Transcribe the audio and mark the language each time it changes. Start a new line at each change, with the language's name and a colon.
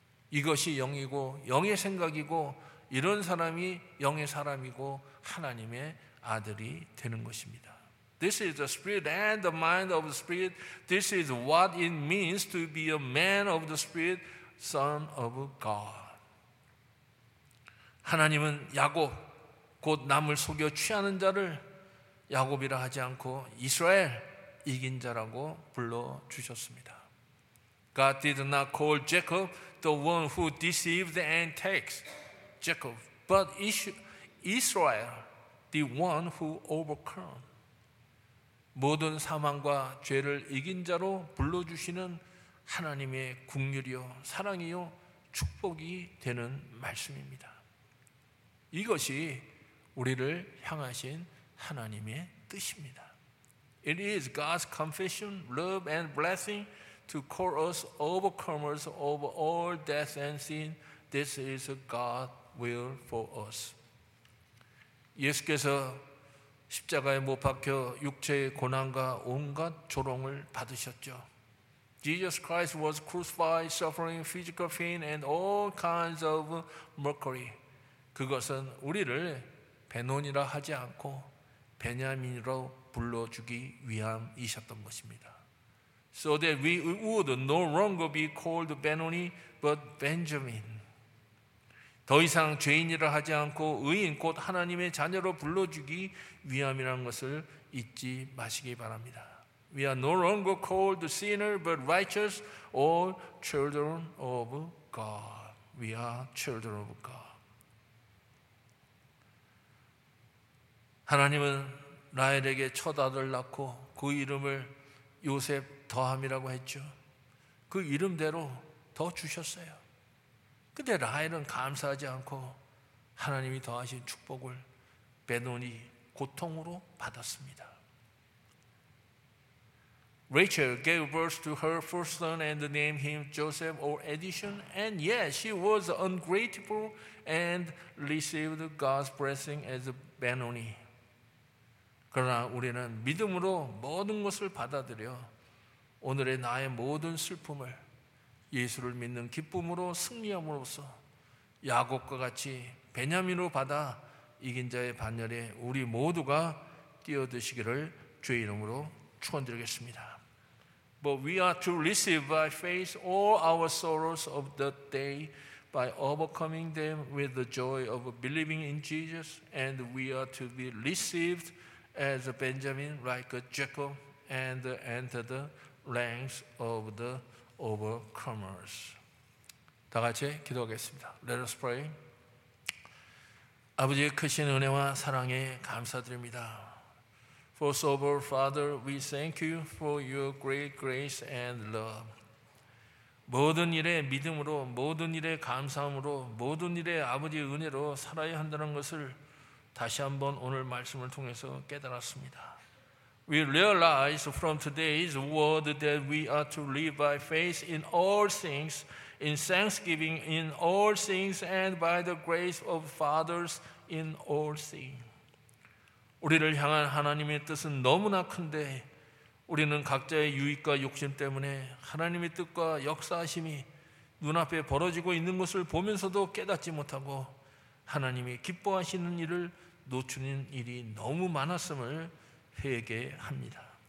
Korean: 이것이 영이고 영의 생각이고 이런 사람이 영의 사람이고 하나님의 아들이 되는 것입니다.
English: This is the spirit and the mind of the spirit. This is what it means to be a man of the spirit, son of God.
Korean: 하나님은 야곱, 곧 남을 속여 취하는 자를 야곱이라 하지 않고 이스라엘, 이긴 자라고 불러주셨습니다.
English: God did not call Jacob the one who deceived and takes Jacob, but Israel, the one who overcome.
Korean: 모든 사망과 죄를 이긴 자로 불러주시는 하나님의 긍휼이요 사랑이요 축복이 되는 말씀입니다. 이것이 우리를 향하신 하나님의 뜻입니다.
English: It is God's compassion, love and blessing to call us overcomers of all death and sin. This is God's will for us.
Korean: 예수께서 십자가에 못 박혀 육체의 고난과 온갖 조롱을 받으셨죠.
English: Jesus Christ was crucified, suffering physical pain and all kinds of mockery.
Korean: 그것은 우리를 베논이라 하지 않고 베냐민으로 불러주기 위함이셨던 것입니다.
English: So that we would no longer be called Benoni, but Benjamin.
Korean: 더 이상 죄인이라 하지 않고 의인, 곧 하나님의 자녀로 불러주기 위함이라는 것을 잊지 마시기 바랍니다.
English: We are no longer called sinner, but righteous, or children of God. We are children of God.
Korean: 하나님은 라헬에게 첫 아들 낳고 그 이름을 요셉 더함이라고 했죠. 그 이름대로 더 주셨어요. 그런데 라헬은 감사하지 않고 하나님이 더하신 축복을 베노니 고통으로 받았습니다.
English: Rachel gave birth to her first son and named him Joseph or addition, and yet she was ungrateful and received God's blessing as Benoni.
Korean: 그러나 우리는 믿음으로 모든 것을 받아들여 오늘의 나의 모든 슬픔을 예수를 믿는 기쁨으로 승리함으로써 야곱과 같이 베냐민으로 받아 이긴 자의 반열에 우리 모두가 뛰어드시기를 주의 이름으로 축원드리겠습니다.
English: But we are to receive by faith all our sorrows of the day by overcoming them with the joy of believing in Jesus, and we are to be received as a Benjamin, like a Jacob, and enter the ranks of the overcomers.
Korean: 다 같이 기도하겠습니다.
English: Let us pray.
Korean: 아버지의 크신 은혜와 사랑에 감사드립니다.
English: First of all, Father, we thank you for your great grace and love.
Korean: 모든 일에 믿음으로, 모든 일에 감사함으로, 모든 일에 아버지의 은혜로 살아야 한다는 것을 다시 한번 오늘 말씀을 통해서 깨달았습니다.
English: We realize from today's word that we are to live by faith in all things, in thanksgiving in all things, and by the grace of fathers in all things.
Korean: 우리를 향한 하나님의 뜻은 너무나 큰데 우리는 각자의 유익과 욕심 때문에 하나님의 뜻과 역사하심이 눈앞에 벌어지고 있는 것을 보면서도 깨닫지 못하고 하나님이 기뻐하시는 일을 놓치는 일이 너무 많았음을 회개합니다.